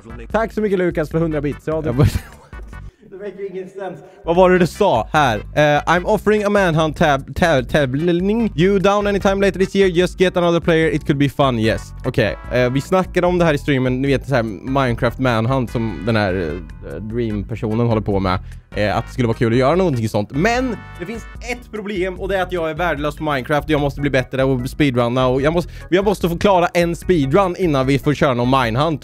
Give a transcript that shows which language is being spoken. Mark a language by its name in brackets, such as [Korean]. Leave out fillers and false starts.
[Swedish] Tack så mycket Lukas för 100 bits. Ja, det vad var det du sa här? [English] I'm offering a manhunt tävling. You down anytime later this year? Just get another player. It could be fun. Yes. Okej. Okay. [Swedish] Vi snackade om det här i streamen. Ni vet så här Minecraft manhunt som den här dream-personen håller på med. Att det skulle vara kul att göra någonting sånt. Men det finns ett problem och det är att jag är värdelös på Minecraft. Jag måste bli bättre och speedrunna. Och jag måste få klara en speedrun innan vi får köra någon manhunt.